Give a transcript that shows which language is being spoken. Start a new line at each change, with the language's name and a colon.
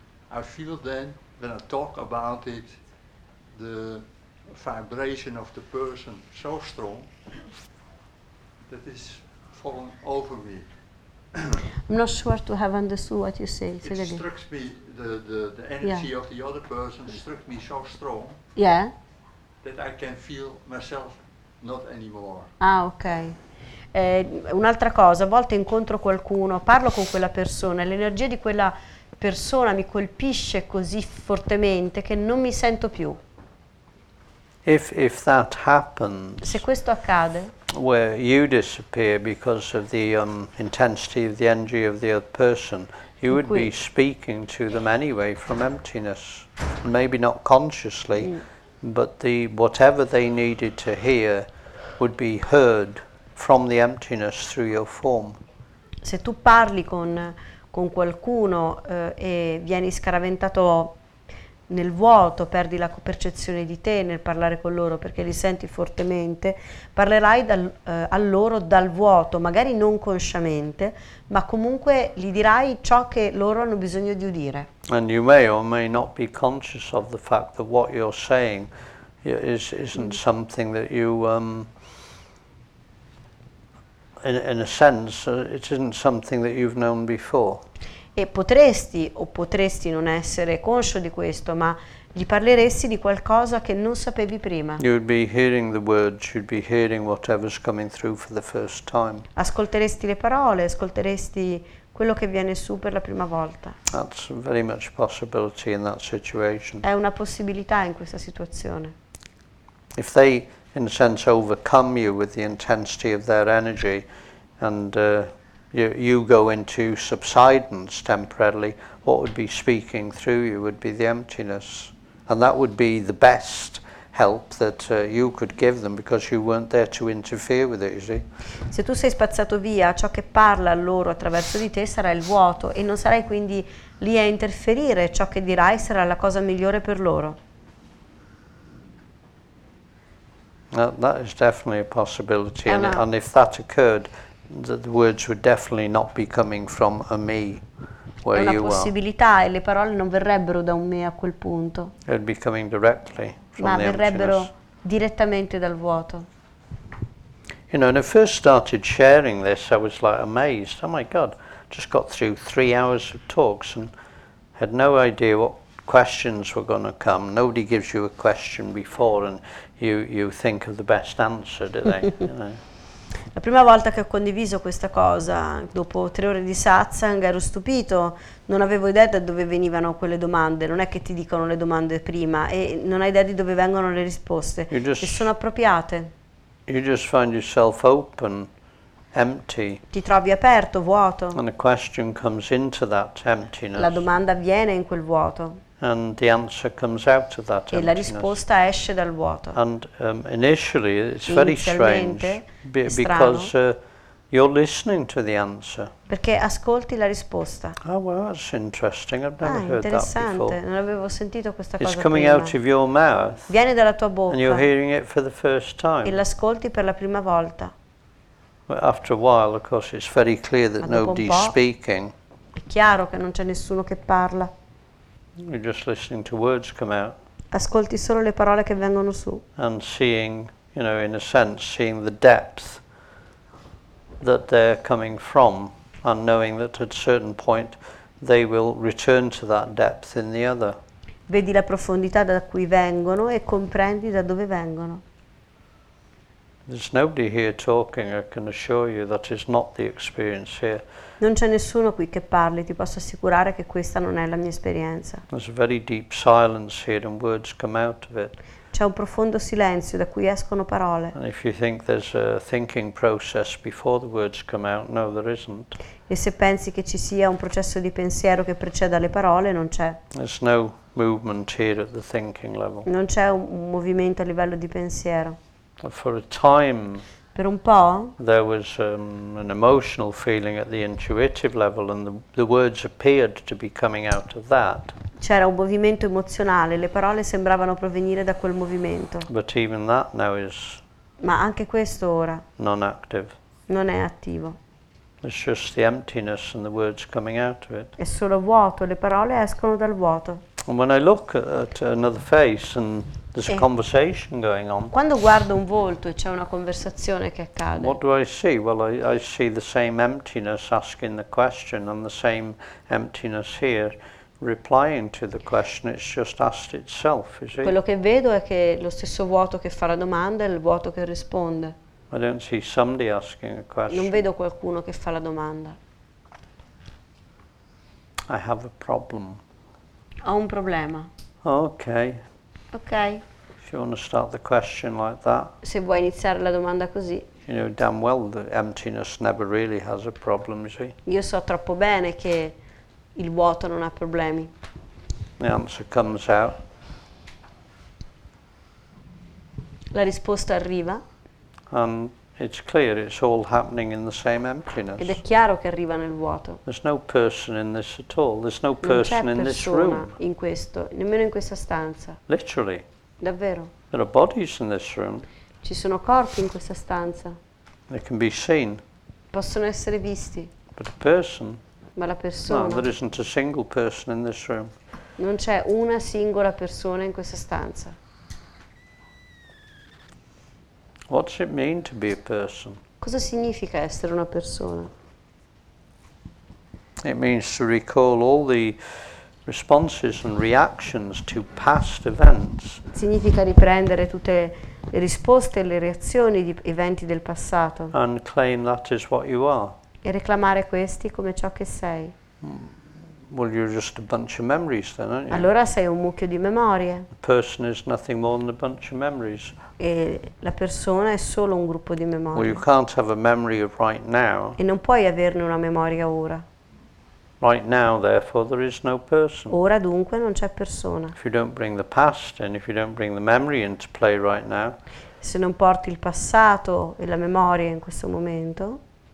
English: I feel then, when I talk about it, the vibration of the person so strong that it's falling over me. I'm not sure to have understood what you say. It struck me, the energy of the other person struck me so strong that I can feel myself not anymore. Ah, okay.
Italian: Un'altra cosa, a volte incontro qualcuno, parlo con quella persona, l'energia di quella persona mi colpisce così fortemente che non mi sento più.
English: If that happens,
Italian: se questo accade,
English: where you disappear because of the intensity of the energy of the other person, you would be speaking to them anyway from emptiness, maybe not consciously, but the whatever they needed to hear would be heard from the emptiness through your form.
Italian: Se tu parli con qualcuno e vieni scaraventato nel vuoto, perdi la percezione di te nel parlare con loro perché li senti fortemente, parlerai a loro dal vuoto, magari non consciamente, ma comunque gli dirai ciò che loro hanno bisogno di udire.
English: And you may or may not be conscious of the fact that what you're saying isn't something that you in a sense it isn't something that you've known before.
Italian: E potresti o potresti non essere conscio di questo, ma gli parleresti di qualcosa che non sapevi prima.
English: You'd be hearing the words, you'd be hearing whatever's coming through for the first time.
Italian: Ascolteresti le parole, ascolteresti quello che viene su per la prima volta.
English: That's very much a possibility in that situation.
Italian: È una possibilità in questa situazione.
English: If they, in a sense, overcome you with the intensity of their energy and you go into subsidence temporarily, what would be speaking through you would be the emptiness. And that would be the best help that you could give them because you weren't there to interfere with it, you see.
Italian: Se tu sei spazzato via, ciò che parla a loro attraverso di te sarà il vuoto e non sarai quindi lì a interferire, ciò che dirai sarà la cosa migliore per loro.
English: That is definitely a possibility, and if that occurred, the words would definitely not be coming from a me where you are.
Italian: È una possibilità e le parole non verrebbero da un me a quel punto.
English: It would be coming directly from the emptiness.
Italian: Ma verrebbero direttamente dal vuoto.
English: You know, when I first started sharing this, I was like amazed. Oh my God, just got through 3 hours of talks and had no idea what questions were going to come. Nobody gives you a question before and you think of the best answer, do they? You know?
Italian: La prima volta che ho condiviso questa cosa, dopo 3 ore di satsang, ero stupito, non avevo idea da dove venivano quelle domande, non è che ti dicono le domande prima e non hai idea di dove vengono le risposte,
English: just,
Italian: e sono appropriate.
English: You just find yourself open, empty.
Italian: Ti trovi aperto, vuoto.
English: And a question comes into that emptiness.
Italian: La domanda viene in quel vuoto.
English: And the answer comes out of that emptiness.
Italian: E la risposta esce dal vuoto.
English: And initially it's very strange because you're listening to the answer.
Italian: Perché ascolti la risposta.
English: Oh well, that's interesting. I've never heard that before.
Italian: Non avevo sentito questa cosa prima.
English: It's coming out of your mouth.
Italian: Viene dalla tua bocca.
English: And you're hearing it for the first time.
Italian: E l'ascolti per la prima volta.
English: Well, after a while, of course, it's very clear that nobody's speaking.
Italian: È chiaro che non c'è nessuno che parla.
English: You're just listening to words come out.
Italian: Ascolti solo le parole che vengono su.
English: And seeing, you know, in a sense, seeing the depth that they're coming from, and knowing that at a certain point they will return to that depth in the other.
Italian: Vedi la profondità da cui vengono e comprendi da dove vengono.
English: There's nobody here talking, I can assure you that is not the experience here.
Italian: Non c'è nessuno qui che parli, ti posso assicurare che questa non è la mia esperienza.
English: There's a very deep silence here and words come out of it.
Italian: C'è un profondo silenzio da cui escono parole.
English: And if you think there's a thinking process before the words come out, no, there isn't.
Italian: E se pensi che ci sia un processo di pensiero che preceda le parole, non c'è.
English: There's no movement here at the thinking level.
Italian: Non c'è un movimento a livello di pensiero.
English: For a time,
Italian: per un po',
English: there was an emotional feeling at the intuitive level, and the words appeared to be coming out of that.
Italian: C'era un movimento emozionale, le parole sembravano provenire da quel movimento.
English: But even that now is.
Italian: Ma anche questo ora.
English: Non active.
Italian: Non è attivo.
English: It's just the emptiness and the words coming out of it.
Italian: È solo vuoto, le parole escono dal vuoto.
English: And when I look at another face and there's a conversation going on.
Italian: Quando guardo un volto e c'è una conversazione che accade.
English: What do I see? Well, I see the same emptiness asking the question and the same emptiness here replying to the question. It's just asked itself, you see?
Italian: Quello che vedo è che lo stesso vuoto che fa la domanda è il vuoto che risponde.
English: I don't see somebody asking a question.
Italian: Non vedo qualcuno che fa la domanda.
English: I have a problem.
Italian: Ho un problema.
English: Okay. Okay. If you want to start the question like that.
Italian: Se vuoi iniziare la domanda così.
English: You know damn well the emptiness never really has a problem, you see.
Italian: Io so troppo bene che il vuoto non ha problemi.
English: The answer comes out.
Italian: La risposta arriva.
English: And It's clear it's all happening in the same emptiness.
Italian: Ed è chiaro che arriva nel vuoto.
English: There's no person in this at all. There's no person in this room.
Italian: Non c'è persona in questo, nemmeno in questa stanza.
English: Literally.
Italian: Davvero.
English: There are bodies in this room.
Italian: Ci sono corpi in questa stanza.
English: They can be seen.
Italian: Possono essere visti.
English: But a person.
Italian: Ma la persona.
English: No, there isn't a single person in this room.
Italian: Non c'è una singola persona in questa stanza.
English: What's it mean to be a person?
Italian: Cosa significa essere una persona?
English: It means to recall all the responses and reactions to past events.
Italian: Significa riprendere tutte le risposte e le reazioni di eventi del passato.
English: And claim that is what you are.
Italian: E reclamare questi come ciò che sei.
English: Well, you're just a bunch of memories then, aren't you?
Italian: Allora sei un mucchio di memorie.
English: A person is nothing more than a bunch of memories.
Italian: E la persona è solo un gruppo di memorie.
English: Well, you can't have a memory of right now.
Italian: E non puoi averne una memoria ora.
English: Right now, therefore, there is no person.
Italian: Ora dunque non c'è persona.
English: If you don't bring the past and if you don't bring the memory into play right now.
Italian: Se non porti il passato e la memoria in questo momento.